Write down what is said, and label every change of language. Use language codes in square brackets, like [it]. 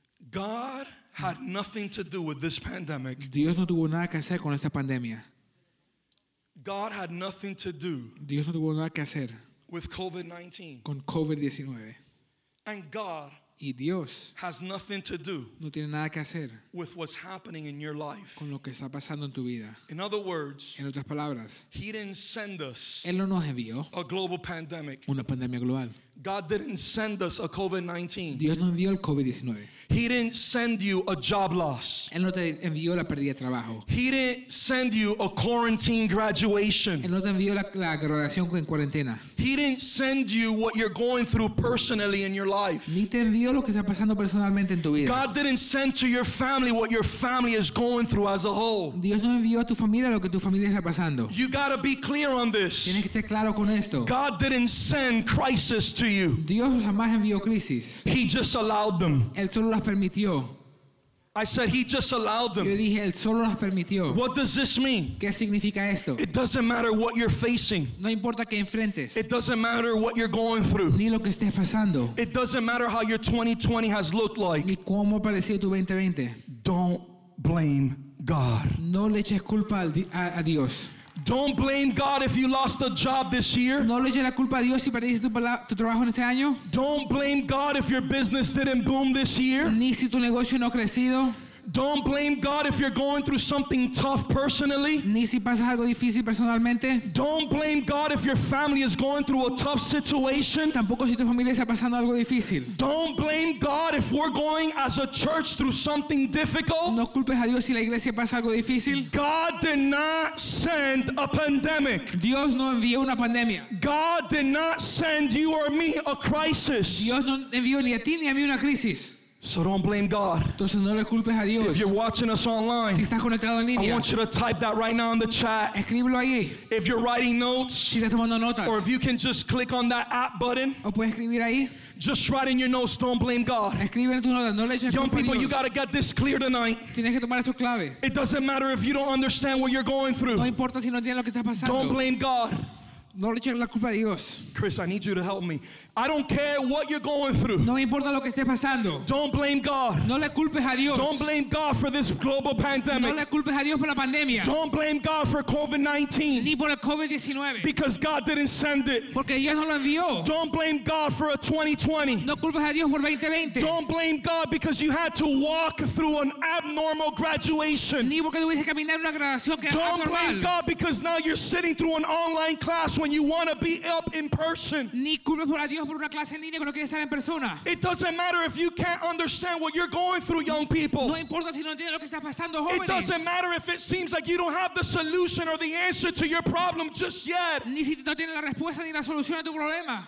[en] God had nothing to do with this pandemic. [es] Dios no tuvo nada que hacer con esta pandemia. [en] God had nothing to do. [es] Dios no tuvo nada que hacer. [en] With COVID-19. [es] Con COVID-19. [en] And God. [es] Y Dios [en] has nothing to do, [es] no tiene nada que hacer, [en] with what's happening in your life, [es] con lo que está pasando en tu vida. [en] In other words, [es] en otras palabras, [en] He didn't send us, [es] él no nos envió, [en] a global pandemic, [es] una pandemia global. [en] God didn't send us a COVID-19. [es] Dios no envió el COVID-19. [en] He didn't send you a job loss. [es] Él no te envió la pérdida de trabajo. [en] He didn't send you a quarantine graduation. [es] Él no te envió la graduación en cuarentena. [en] He didn't send you what you're going through personally in your life. [es] Ni te envió lo que está pasando personalmente en tu vida. [en] God didn't send to your family what your family is going through as a whole. [es] Dios no envió a tu familia lo que tu familia está pasando. [en] You gotta be clear on this. [es] Tienes que ser claro con esto. [en] God didn't send crisis to you. [es] Dios jamás envió crisis. [en] He just allowed them. [es] Él solo las permitió. [en] I said He just allowed them. [es] Yo dije, él solo las permitió. [en] What does this mean? [es] ¿Qué significa esto? [en] It doesn't matter what you're facing. [es] No importa qué enfrentes. [en] It doesn't matter what you're going through. [es] Ni lo que estés pasando. [en] It doesn't matter how your 2020 has looked like. [es] Ni cómo pareció tu 2020. [en] Don't blame God. [es] No le eches culpa a Dios. [en] Don't blame God if you lost a job this year. [es] No le eches la culpa a Dios si perdiste tu trabajo en este año. [en] Don't blame God if your business didn't boom this year. [es] Ni si tu negocio no ha crecido. [en] Don't blame God if you're going through something tough personally. [es] Ni si pasas algo difícil personalmente. [en] Don't blame God if your family is going through a tough situation. [es] Tampoco si tu familia está pasando algo difícil. [en] Don't blame God if we're going as a church through something difficult. [es] No culpes a Dios si la iglesia pasa algo difícil. [en] God did not send a pandemic. [es] Dios no envió una pandemia. [en] God did not send you or me a crisis. [es] Dios no envió ni a ti ni a mí una crisis. [en] So don't blame God. [es] Entonces, no le culpes a Dios. [en] If you're watching us online, [es] si estás conectado en línea, [en] I want you to type that right now in the chat. [es] Escríbelo ahí. [en] If you're writing notes, [es] si estás tomando notas, [en] or if you can just click on that app button, [es] o puedes escribir ahí. [en] Just write in your notes, don't blame God. [es] Escribe en tu nota, no le eches [en] Young people, [es] Dios. [en] You got to get this clear tonight. [es] Tienes que tomar esto clave. [en] It doesn't matter if you don't understand what you're going through. [es] No importa si no entiendes lo que estás pasando. [en] Don't blame God. [es] No le eches la culpa a Dios. [en] Chris, I need you to help me. I don't care what you're going through. [es] No importa lo que esté pasando. [en] Don't blame God. [es] No le culpes a Dios. [en] Don't blame God for this global pandemic. [es] No le culpes a Dios por la pandemia. [en] Don't blame God for COVID-19. [es] Ni por el COVID-19. [en] Because God didn't send it. [es] Porque Dios no lo envió. [en] Don't blame God for a 2020. [es] No culpes a Dios por 2020. [en] Don't blame God because you had to walk through an abnormal graduation. [es] Ni porque tuviste que caminar una graduación que era anormal. [en] Don't blame God because now you're sitting through an online class when you want to be up in person. [es] Ni culpes por Dios por una clase en línea que no quiere estar en persona. [en] It doesn't matter if you can't understand what you're going through, young people. [es] No importa si no entiendes lo que está pasando, jóvenes. [en] It doesn't matter if it seems like you don't have the solution or the answer to your problem just yet. [es] Ni si no tienes la respuesta ni la solución a tu problema.